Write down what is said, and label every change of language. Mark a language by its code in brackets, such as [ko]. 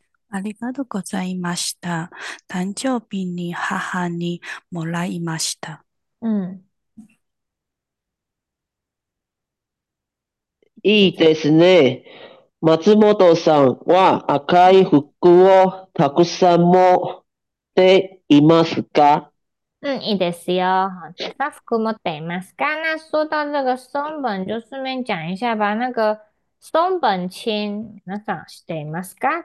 [ja] ありがとうございました。誕生日に母にもらいました。以いい上。ですね。松本さんは赤い服をたくさん持っていますか？いいですよ。私は服持っています。 [zh] 刚刚说到这个松本，就顺便讲一下吧。那个松本清， [ja] 皆さん知っていますか？